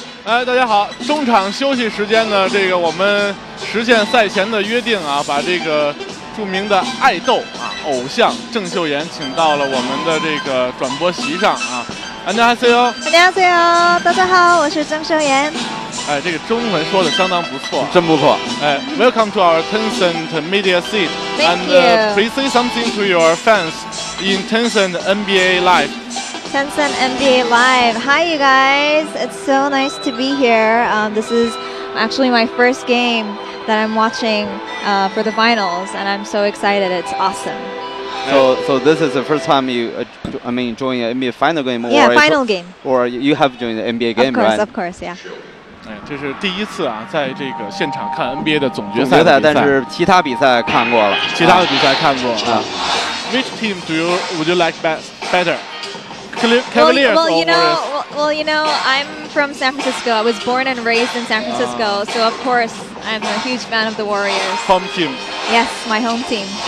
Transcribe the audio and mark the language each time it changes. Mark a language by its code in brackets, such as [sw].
[zh] 哎，大家好，中场休息时间呢，这个我们实现赛前的约定啊，把这个著名的爱豆啊偶像郑秀妍请到了我们的这个转播席上啊。 [ko] 안녕하세요， 안녕하세요， [zh] 大家好，我是郑秀妍。哎，这个中文说的相当不错，真不错。 [en] 哎 ，Welcome to our Tencent Media Seat, and please say something to your fans in Tencent NBA Live. Tencent NBA Live. Hi, you guys. It's so nice to be here. This is actually my first game that I'm watching for the finals, and I'm so excited. It's awesome. So this is the first time you, join an NBA final game? Or yeah, final game. Or you have joined the NBA game, right? Of course, yeah. [zh] 这是第一次啊，在这个现场看 NBA 的总决赛。总决赛，但是其他比赛看过了。其他的比赛看过啊。 [en] Which team would you like better? Well, you know, I'm from San Francisco. I was born and raised in San Francisco, so of course, I'm a huge fan of the Warriors. Home team. Yes, my home team.